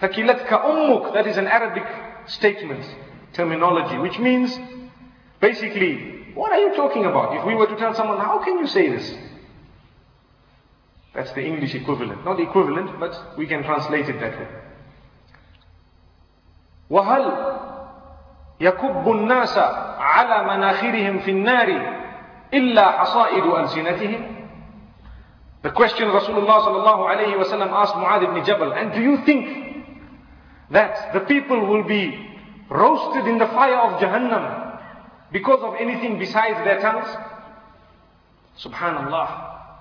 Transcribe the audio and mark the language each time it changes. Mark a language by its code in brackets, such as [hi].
[ar] Thakilatka ummuk, [en] that is an Arabic statement, terminology, which means, basically, what are you talking about? If we were to tell someone, how can you say this? That's the English equivalent. Not equivalent, but we can translate it that way. [ar] Wahal يكب الناس على مناخرهم في النار إلا حصائد ألسنتهم. [en] The question Rasulullah sallallahu alayhi wa sallam asked Mu'adh ibn Jabal, and do you think that the people will be roasted in the fire of Jahannam because of anything besides their tongues? Subhanallah.